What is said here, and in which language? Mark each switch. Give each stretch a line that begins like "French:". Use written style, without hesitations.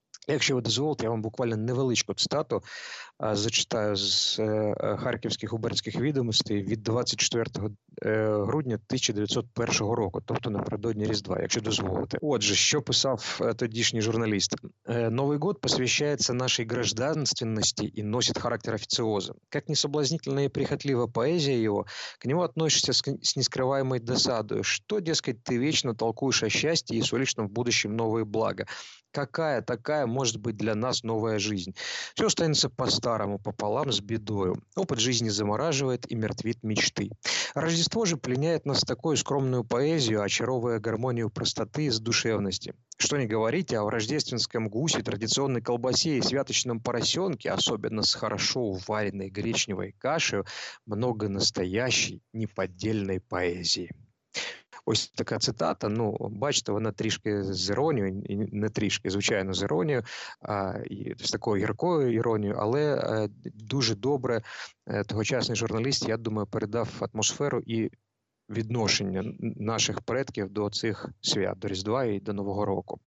Ukrainian: Якщо ви дозволите, я вам буквально невеличку цитату зачитаю з Харківських губернських відомостей від 24 грудня 1901 року, тобто напередодні Різдва, якщо дозволите. Отже, що писав тодішній журналіст?
Russian: «Новий год посвящається нашей гражданственности и носит характер официоза. Как не соблазнительная и прихотлива поэзия его, к нему относишься с нескрываемой досадой. Что, дескать, ты вечно толкуешь о счастье и сулишь нам в будущем новые блага? Какая такая может быть для нас новая жизнь? Все останется по-старому, пополам с бедою. Опыт жизни замораживает и мертвит мечты. Рождество же пленяет нас такую скромную поэзию, очаровывая гармонию простоты и задушевности. Что ни говорите, а в рождественском гусе, традиционной колбасе и святочном поросенке, особенно с хорошо уваренной гречневой кашей, много настоящей, неподдельной поэзии».
Ukrainian: Ось така цитата, ну, бачите, вона трішки з іронією, не трішки, звичайно, з іронією, з такою гіркою іронією, але дуже добре тогочасний журналіст, я думаю, передав атмосферу і відношення наших предків до цих свят, до Різдва і до Нового року.